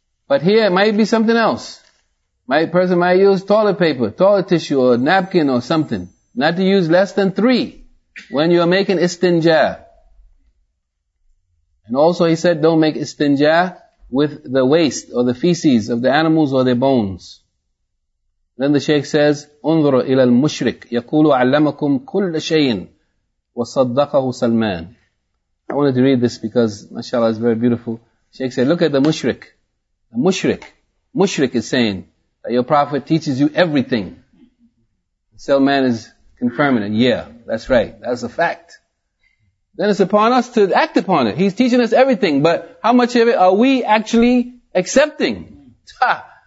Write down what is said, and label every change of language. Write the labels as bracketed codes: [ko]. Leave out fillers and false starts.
[en] But here it might be something else. My person might use toilet paper, toilet tissue, or napkin or something. Not to use less than 3 when you are making istinja. And also he said don't make istinja with the waste or the feces of the animals or their bones. Then the Shaykh says, [ar] انظروا إلى المشرك يقول علمكم كل شيء وصدقه سلمان. [en] I wanted to read this because, mashallah, it's very beautiful. Shaykh said, look at the mushrik. The mushrik. mushrik is saying, that your prophet teaches you everything. So man is confirming it. Yeah, that's right. That's a fact. Then it's upon us to act upon it. He's teaching us everything, but how much of it are we actually accepting? Ha!